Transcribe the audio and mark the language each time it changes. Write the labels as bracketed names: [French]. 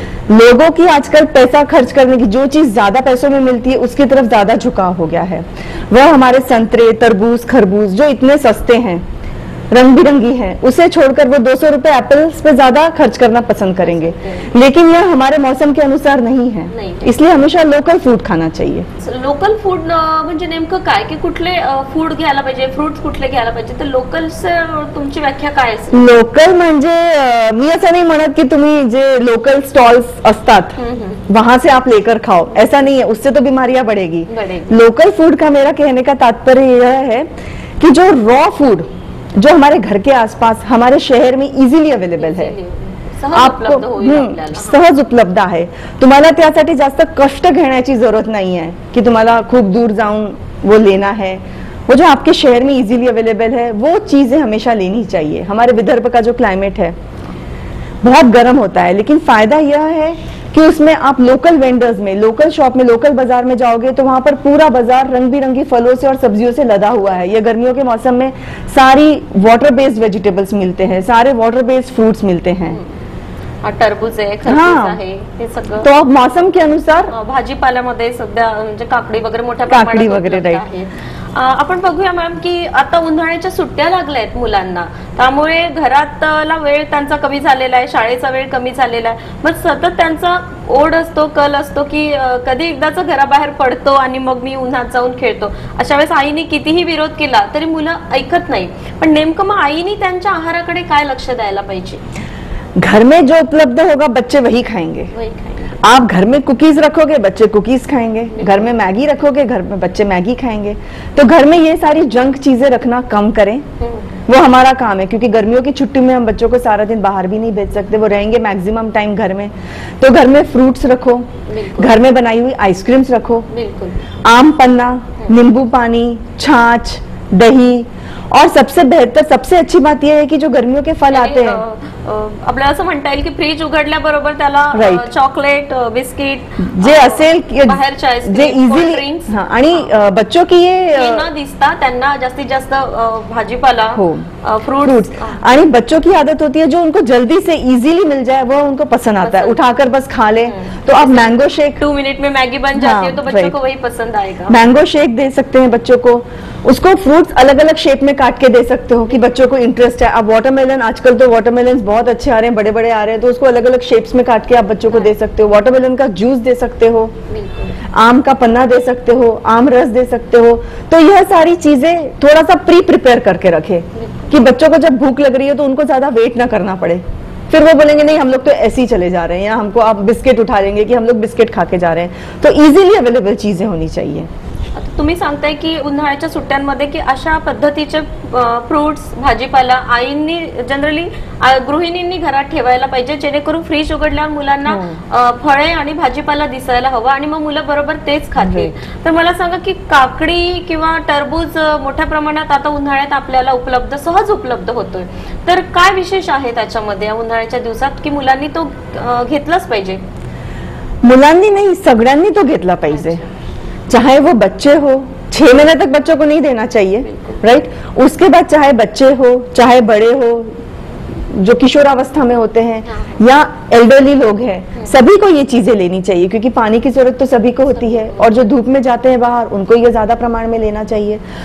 [Hindi] लोगों की आजकल पैसा खर्च करने की, जो चीज ज्यादा पैसों में मिलती है उसकी तरफ ज्यादा झुकाव हो गया है, वह हमारे संतरे, तरबूज, खरबूज जो इतने सस्ते हैं, रंग बिरंगी है, उसे छोड़कर वो 200 रुपए एप्पल्स पे ज्यादा खर्च करना पसंद करेंगे। लेकिन यह हमारे मौसम के अनुसार नहीं है, इसलिए हमेशा लोकल फूड खाना चाहिए। [Marathi] लोकल फूड म्हणजे नेमकं काय, की कुठले फूड घ्यायला पाहिजे, फ्रूट्स कुठले घ्यायला पाहिजे, तर लोकल तुमची व्याख्या काय असेल? लोकल म्हणजे मी असं नाही म्हणत की तुम्ही जे लोकल स्टॉल्स असतात [Hindi] वहां से आप लेकर खाओ, ऐसा नहीं है, उससे तो बीमारियां बढ़ेगी। लोकल फूड का मेरा कहने का तात्पर्य यह है कि जो रॉ फूड जो हमारे घर के आसपास हमारे शहर में इजीली अवेलेबल है, आपको [Marathi] सहज उपलब्ध है, तुम्हाला त्यासाठी जास्त कष्ट घेण्याची जरूरत नाही है कि तुम्हाला खूप दूर जाऊन [Hindi] वो लेना है। वो जो आपके शहर में इजीली अवेलेबल है वो चीजें हमेशा लेनी चाहिए। हमारे विदर्भ का जो क्लाइमेट है बहुत गर्म होता है, लेकिन फायदा यह है कि उसमें आप लोकल वेंडर्स में, लोकल शॉप में, लोकल बाजार में जाओगे तो वहां पर पूरा बाजार रंग बिरंगी फलों से और सब्जियों से लदा हुआ है। ये गर्मियों के मौसम में सारी वाटर बेस्ड वेजिटेबल्स मिलते हैं, सारे वाटर बेस्ड फ्रूट्स मिलते हैं, तरबूज है, खरबूजा है, ये सब। तो आप मौसम के अनुसार [Marathi] भाजीपाला मध्ये सध्या म्हणजे काकडी वगैरे मोठ्या प्रमाणात काकडी वगैरे राईट। आपण बघूया मॅम की आता उन्हाळ्याच्या सुट्ट्या लागल्या आहेत मुलांना, त्यामुळे घरातला वेळ त्यांचा कमी झालेला आहे, शाळेचा वेळ कमी झालेला आहे, मग सतत त्यांचा ओढ असतो, कल असतो की कधी एकदाचा घराबाहेर पडतो आणि मग मी उन्हात जाऊन खेळतो। अशा वेळेस आईने कितीही विरोध केला तरी मुलं ऐकत नाही, पण नेमकं मग आईने त्यांच्या आहाराकडे काय लक्ष द्यायला पाहिजे? [Hindi] घर में जो उपलब्ध होगा बच्चे वही खाएंगे, आप घर में कुकीज रखोगे बच्चे कुकीज खाएंगे, घर में मैगी रखोगे घर में बच्चे मैगी खाएंगे। तो घर में ये सारी जंक चीजें रखना कम करें, वो हमारा काम है, क्योंकि गर्मियों की छुट्टी में हम बच्चों को सारा दिन बाहर भी नहीं भेज सकते, वो रहेंगे मैक्सिमम टाइम घर में। तो घर में फ्रूट्स रखो, घर में बनाई हुई आइसक्रीम्स रखो, आम पन्ना, नींबू पानी, छाछ, दही, और सबसे बेहतर सबसे अच्छी बात यह है कि जो गर्मियों के फल आते हैं [Marathi] आपल्याला असं म्हणता येईल की फ्रीज उघडल्या बरोबर त्याला चॉकलेट, बिस्किट जे असेल जे इझिली ड्रिंक्स, आणि [Hindi] बच्चों की ये [Marathi] ना दिसता त्यांना जास्तीत जास्त भाजीपाला हो, फ्रूट्स, [Hindi] आणि बच्चों की आदत होती है जो उनको जल्दी से इजीली मिल जाए वो उनको पसंद आता है, उठाकर बस खा ले। तो आप मैंगो शेक, 2 मिनट में मैगी बन जाती है तो बच्चों को वही पसंद आएगा। मैंगो शेक दे सकते हैं बच्चों को, उसको फ्रूट्स अलग अलग शेप में काट के दे सकते हो कि बच्चों को इंटरेस्ट है। आप वाटरमेलन, आजकल तो वाटरमेलन बहुत अच्छे आ रहे हैं, बड़े बड़े आ रहे हैं, तो उसको अलग अलग शेप्स में काट के आप बच्चों को दे सकते हो। वाटरमेलन का जूस दे सकते हो, आम का पन्ना दे सकते हो, आम रस दे सकते हो। तो यह सारी चीजें थोड़ा सा प्री प्रिपेयर करके रखे कि बच्चों को जब भूख लग रही है तो उनको ज्यादा वेट ना करना पड़े, फिर वो बोलेंगे नहीं हम लोग तो ऐसे ही चले जा रहे हैं, या हमको आप बिस्किट उठा लेंगे कि हम लोग बिस्किट खा के जा रहे हैं। तो इजीली अवेलेबल चीजें होनी चाहिए। [Marathi] तुम्ही सांगताय की उन्हाळ्याच्या सुट्ट्यांमध्ये की अशा पद्धतीचे फ्रुट्स, भाजीपाला आईंनी जनरली गृहिणींनी घरात ठेवायला पाहिजे, जेणेकरून फ्रीज उघडल्यावर मुलांना फळे आणि भाजीपाला दिसायला हवा आणि मग मुलं बरोबर तेच खातील। तर मला सांगा की काकडी किंवा टरबूज मोठ्या प्रमाणात आता उन्हाळ्यात आपल्याला उपलब्ध, सहज उपलब्ध होतोय, तर काय विशेष आहे त्याच्यामध्ये उन्हाळ्याच्या दिवसात की मुलांनी तो घेतलाच पाहिजे? मुलांनी नाही, सगळ्यांनी तो घेतला पाहिजे, [Hindi] चाहे वो बच्चे हो, 6 महीने तक बच्चों को नहीं देना चाहिए, राइट, उसके बाद चाहे बच्चे हो चाहे बड़े हो जो किशोरावस्था में होते हैं या एल्डरली लोग हैं, सभी को ये चीजें लेनी चाहिए क्योंकि पानी की जरूरत तो सभी को होती है और जो धूप में जाते हैं बाहर उनको ये ज्यादा प्रमाण में लेना चाहिए।